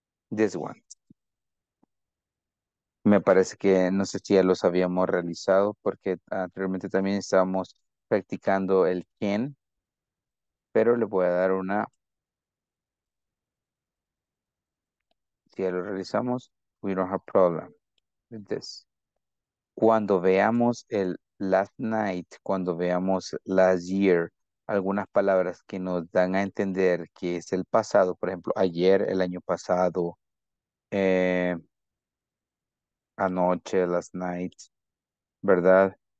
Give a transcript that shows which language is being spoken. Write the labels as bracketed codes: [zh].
[en] This one. [es] Me parece que, no sé si ya los habíamos realizado, porque anteriormente también estábamos practicando el quién, pero le voy a dar una... Si ya lo realizamos, [en] we don't have problem with this. [es] Cuando veamos el last night, cuando veamos last year, algunas palabras que nos dan a entender que es el pasado, por ejemplo, ayer, el año pasado, anoche, last night, ¿verdad?